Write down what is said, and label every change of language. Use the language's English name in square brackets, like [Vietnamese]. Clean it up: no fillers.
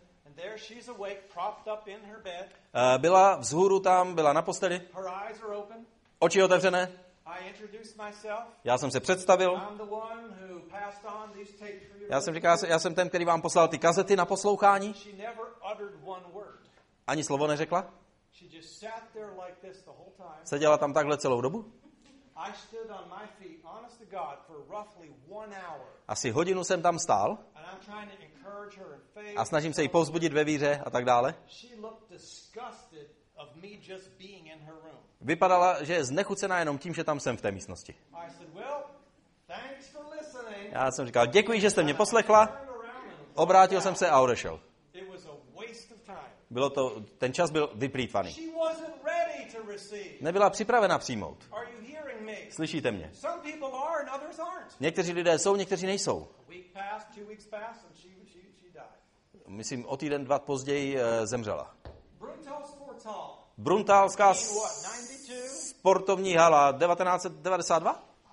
[English] And there she's awake, propped up in her bed. [Czech] Byla vzhůru tam, byla na posteli. [English] Her eyes are open. [Czech] Oči otevřené. [English] I introduced myself. [Czech] Já jsem se představil. [English] I'm the one who passed on these tapes for you. [Czech] Já jsem říkal, já jsem ten, který vám poslal ty kazety na poslouchání. [English] She never uttered one word. [Czech] Ani slovo neřekla. [English] She just sat there like this the whole time. [Czech] Seděla tam takhle celou dobu. [English] I stood on my feet, honest to God, for roughly one hour. [Czech] Asi hodinu jsem tam stál. [English] And I'm trying to encourage her in faith. [Czech] A snažím se jí povzbudit ve víře a tak dále. [English] She looked disgusted of me just being in her room. [Czech] Vypadala, že je znechucená jenom tím, že tam jsem v té místnosti. [English] I said, well, thanks for listening. [Czech] Já jsem říkal, děkuji, že jste mě poslechla. Obrátil jsem se a odešel. [English] It was a waste of time. [Czech] Bylo to, ten čas byl vyplýtvaný. [English] She wasn't ready to receive. [Czech] Nebyla připravena přijmout. [English] Are you hearing me? [Czech] Slyšíte mě? [English] Some people are and others aren't. [Czech] Někteří lidé jsou, někteří nejsou. [English] Week passed, two weeks passed, and she died. [Czech] Myslím, o týden, dva později zemřela. [English] Brutal sports hall. [Czech] Bruntálská sportovní hala 1992.